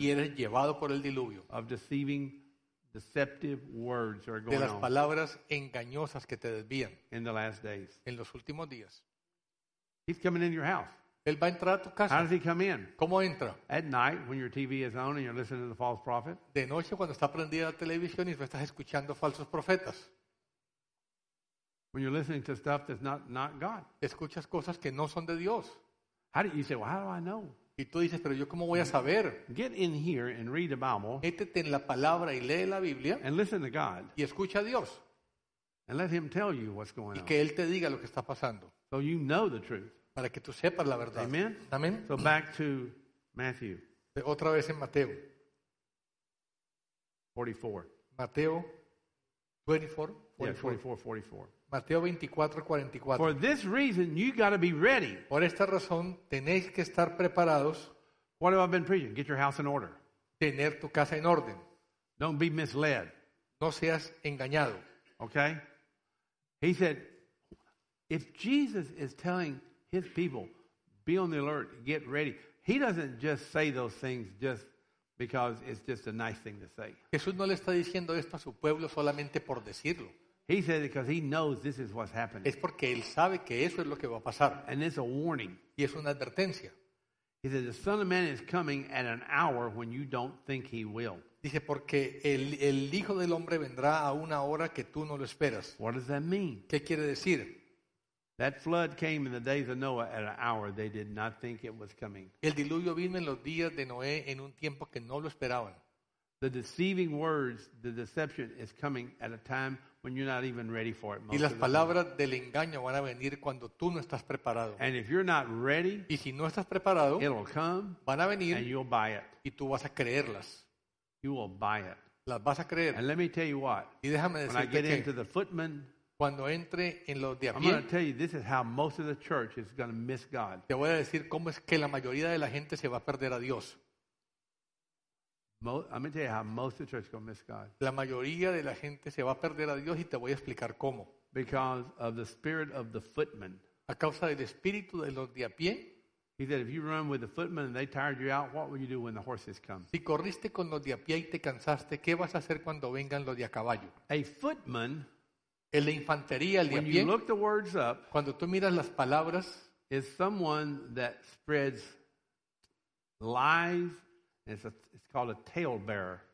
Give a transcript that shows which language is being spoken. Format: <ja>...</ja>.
<es>Y eres llevado por el diluvio.</es> <en>Of deceiving, deceptive words are going on.</en> <es>De las palabras engañosas que te desvían.</es> <en>In the last days.</en> <es>En los últimos días.</es> <en>He's coming in your house.</en> <es>Él va a entrar a tu casa.</es> <en>How does he come in?</en> <es>¿Cómo entra?</es> <en>At night, when your TV is on and you're listening to the false prophet.</en> <es>De noche, cuando está prendida la televisión y estás escuchando falsos profetas.</es> <en>When you're listening to stuff that's not God.</en> <es>Escuchas cosas que no son de Dios.</es> <en>How do you say, well, how do I know?</en> <es>Y tú dices, pero yo cómo voy a saber?</es> <en>Get in here and read the Bible.</en> <es>Métete en la palabra y lee la Biblia.</es> <en>And listen to God.</en> <es>Y escucha a Dios.</es> <en>And let him tell you what's going on.</en> <es>Y que él te diga lo que está pasando.</es> <en>So you know the truth.</en> <es>Para que tú sepas la verdad.</es> <en>Amen.</en> <es>Amen.</es> <en>So back to Matthew.</en> <es>Otra vez en Mateo. 44. Mateo 24.</es> <en>Yeah, 44.</en> <es>Mateo 24, 44.</es> <en>For this reason, you got to be ready.</en> <es>Por esta razón, tenéis que estar preparados.</es> <en>What have I been preaching? Get your house in order.</en> <es>Tener tu casa en orden.</es> <en>Don't be misled.</en> <es>No seas engañado.</es> <en>Okay? He said, if Jesus is telling his people, be on the alert, get ready, he doesn't just say those things just because it's just a nice thing to say.</en> <es>Jesús no le está diciendo esto a su pueblo solamente por decirlo.</es> <en>He said it because he knows this is what's happening.</en> <es>Es porque él sabe que eso es lo que va a pasar.</es> <en>And it's a warning.</en> <es>Y es una advertencia.</es> <en>He said the Son of Man is coming at an hour when you don't think he will.</en> <es>Dice porque el Hijo del Hombre vendrá a una hora que tú no lo esperas.</es> <en>What does that mean?</en> <es>¿Qué quiere decir?</es> <en>That flood came in the days of Noah at an hour they did not think it was coming.</en> <es>El diluvio vino en los días de Noé en un tiempo que no lo esperaban.</es> <en>The deceiving words, the deception is coming at a time when you're not even ready for it.</en> <es>Y las palabras del engaño van a venir cuando tú no estás preparado.</es> <en>And if you're not ready,</en> <es>y si no estás preparado,</es> <en>it'll come,</en> <es>van a venir,</es> <en>and you'll buy it.</en> <es>Y tú vas a creerlas.</es> <en>You will buy it.</en> <es>Las vas a creer.</es> <en>And let me tell you what.</en> <es>Y déjame decirte</es> <en>when I get</en> <es>que,</es> <en>into the footmen,</en> <es>cuando entre en los de a pie,</es> <en>I'm going to tell you this is how most of the church is going to miss God.</en> <es>Te voy a decir cómo es que la mayoría de la gente se va a perder a Dios.</es> <en>I'm going to tell you how most of the church is going to miss God.</en> <es>La mayoría de la gente se va a perder a Dios y te voy a explicar cómo.</es> <en>Because of the spirit of the footman.</en> <es>A causa del espíritu de los de a pie.</es> <en>He said, if you run with the footman and they tired you out, what will you do when the horses come?</en> <es>Si corriste con los de a pie y te cansaste, ¿qué vas a hacer cuando vengan los de a caballo?</es> <en>A footman.</en> <es>El de infantería, el de a pie.</es> <en>When you look the words up.</en> <es>Cuando tú miras las palabras.</es> <en>Is someone that spreads lies. It's called a tale bearer.</en>